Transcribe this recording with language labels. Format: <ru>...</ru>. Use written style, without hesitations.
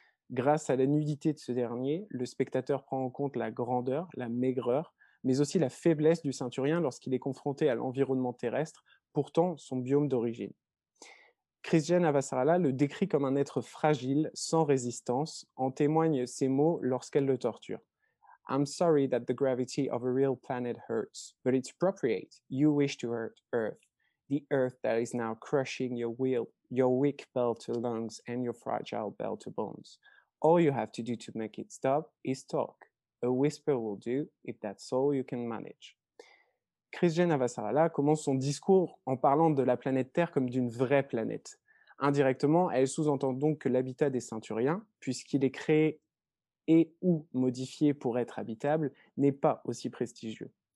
<fr>Grâce à la nudité de ce dernier, le spectateur prend en compte la grandeur, la maigreur, mais aussi la faiblesse du ceinturien lorsqu'il est confronté à l'environnement terrestre, pourtant son biome d'origine. Chrisjen Avasarala le décrit comme un être fragile, sans résistance, en témoigne ses mots lorsqu'elle le torture.</fr> <en>« I'm sorry that the gravity of a real planet hurts, but it's appropriate. You wish to hurt Earth, the Earth that is now crushing your will, your weak bell to lungs and your fragile bell to bones. All you have to do to make it stop is talk. A whisper will do, if that's all you can manage.</en> <fr>» Chrisjen Avasarala commence son discours en parlant de la planète Terre comme d'une vraie planète. Indirectement, elle sous-entend donc que l'habitat des centuriens, puisqu'il est créé et ou modifié pour être habitable, n'est pas aussi prestigieux.</fr>